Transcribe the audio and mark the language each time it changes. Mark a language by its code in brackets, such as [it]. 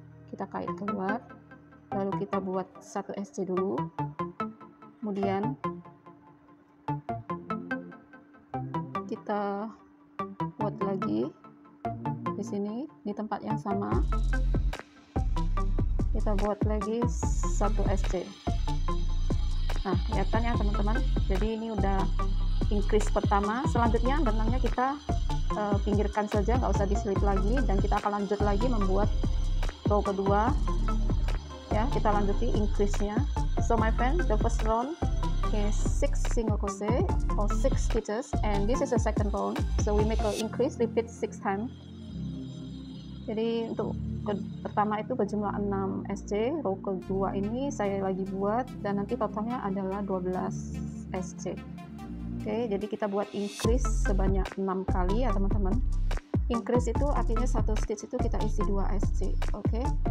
[id] Kita kait keluar, lalu kita buat 1 SC dulu, kemudian kita buat lagi di sini, di tempat yang sama kita buat lagi 1 SC. Nah, kelihatan ya teman-teman, jadi ini udah increase pertama. Selanjutnya benangnya kita pinggirkan saja, nggak usah diselip lagi, dan kita akan lanjut lagi membuat row kedua ya. Kita lanjuti increase-nya. [en] So my friend, the first round is 6 single crochet or 6 stitches, and this is the second round, so we make a increase, repeat 6 times. [id] Jadi untuk pertama itu berjumlah 6 SC, row kedua ini saya lagi buat, dan nanti totalnya adalah 12 SC. Oke, jadi kita buat increase sebanyak 6 kali ya teman-teman. Increase itu artinya satu stitch itu kita isi 2 SC, oke?